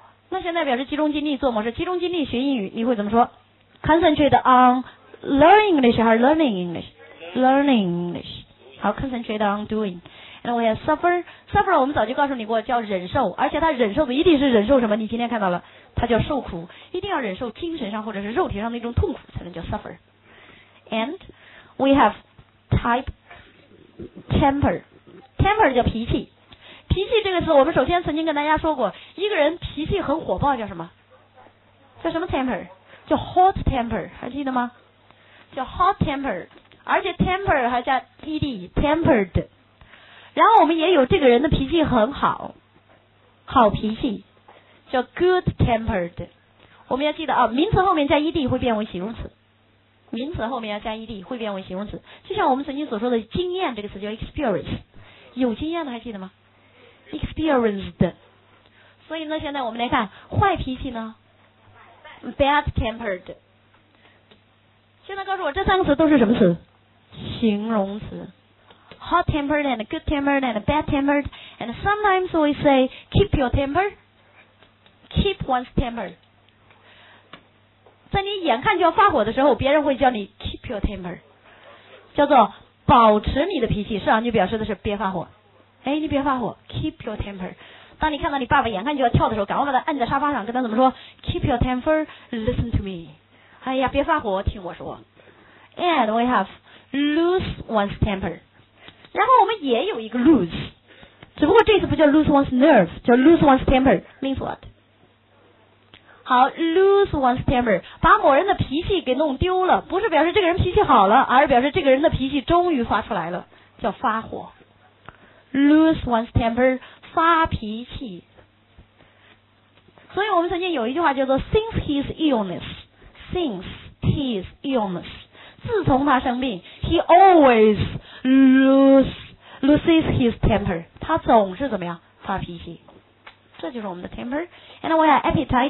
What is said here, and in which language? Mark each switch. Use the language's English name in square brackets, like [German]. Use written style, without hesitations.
[Chinese] 那现在表示集中精力做某事，集中精力学英语，你会怎么说？ [English] concentrate on learning English 还是 learning English? Learning English. 好， concentrate on doing. And we have suffer, [Chinese] 我们早就告诉你过叫忍受，而且他忍受的一定是忍受什么，你今天看到了，他叫受苦，一定要忍受精神上或者是肉体上的一种痛苦才能叫 suffer. [English] And we have temper [Chinese] 叫脾气。这个词我们首先曾经跟大家说过，一个人脾气很火爆叫什么，叫什么 temper? 叫 hot temper, 还记得吗？叫 hot temper, 而且 temper 还叫 ed, tempered。然后我们也有这个人的脾气很好，好脾气叫 good tempered。 我们要记得啊，名词后面加 ed 会变为形容词，名词后面要加 ed 会变为形容词，就像我们曾经所说的经验这个词叫 experience， 有经验的还记得吗？ [English] experienced。 [Chinese] 所以呢现在我们来看坏脾气呢 bad tempered。现在告诉我这三个词都是什么词？形容词。 [English] hot tempered and good tempered and bad tempered and sometimes we say keep your temper keep one's temper。 [Chinese] 在你眼看就要发火的时候，别人会叫你 [English] keep your temper， [Chinese] 叫做保持你的脾气，实际上就表示的是别发火。哎，你别发火， [English] keep your temper。 [Chinese] 当你看到你爸爸眼看就要跳的时候，赶快把他按在沙发上，跟他怎么说？ [English] keep your temper， listen to me。 [Chinese] 哎呀，别发火，听我说。 [English] and we have lose one's temper。 [Chinese] 然后我们也有一个 lose， 只不过这次不叫 [English] lose one's nerve， [Chinese] 叫 [English] lose one's temper， means what？ [Chinese] 好 lose one's temper， 把某人的脾气给弄丢了，不是表示这个人脾气好了，而是表示这个人的脾气终于发出来了，叫发火。 [English] lose one's temper， [Chinese] 发脾气。所以我们曾经有一句话叫做 [English] since his illness， since his illness， [Chinese] 自从他生病， [English] he always loses his temper， [Chinese] 他总是怎么样发脾气。这就是我们的 temper。 [English] And we have appetite。